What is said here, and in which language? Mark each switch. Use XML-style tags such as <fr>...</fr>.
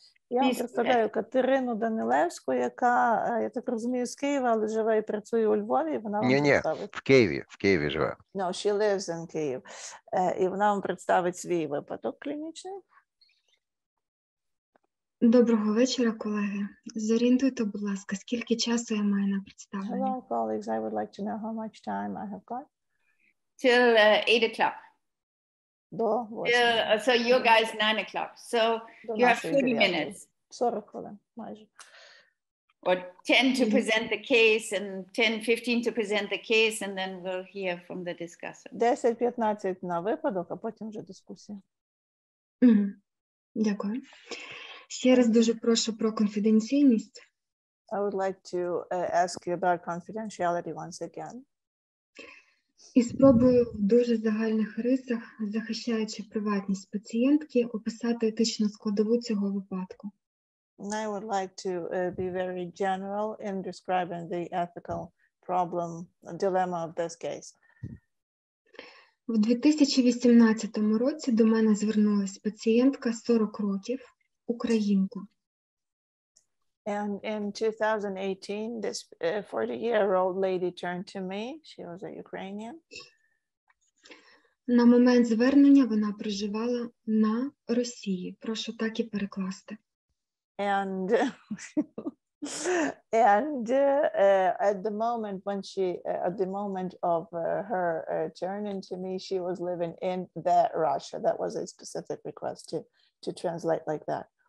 <uk>Я вам представляю Катерину Данилевську, яка, я так розумію, з Києва, але живе і працює у Львові. Ні, в Києві живе.</uk> <en>No, she lives in Kyiv.</en> <uk>І вона вам представить свій випадок клінічний. Доброго вечора, колеги. Зорієнтуйте, будь ласка, скільки часу я маю на представлення?</uk> <en>Hello, colleagues. I would like to know how much time I have got. Till 8 o'clock.</en> <uk>До</uk> <en>8. So you guys 9 o'clock. So you have 40 minutes.</en> <uk>40 хвилин, майже.</uk> <en>Or 10 to present the case and 10-15 to present the case and then we'll hear from the discussant.</en> <uk>10-15 на випадок, а потім вже дискусія. Mm-hmm. Дякую. Ще раз дуже прошу про конфіденційність.</uk> <en>I would like to ask you about confidentiality once again.</en> <uk>І спробую в дуже загальних рисах, захищаючи приватність пацієнтки, описати етичну складову цього випадку.</uk> <en>And I would like to be very general in describing the ethical problem, dilemma of this case.</en> <uk>В 2018 році до мене звернулась пацієнтка 40 років. Українка.</uk> <en>And in 2018, this 40-year-old lady turned to me. She was a Ukrainian.</en> <uk>На момент звернення вона проживала на Росії. Прошу так і перекласти.</uk> <en>And at the moment when she at the moment of her turning to me, she was living in the Russia. That was a specific request to translate like that.</en>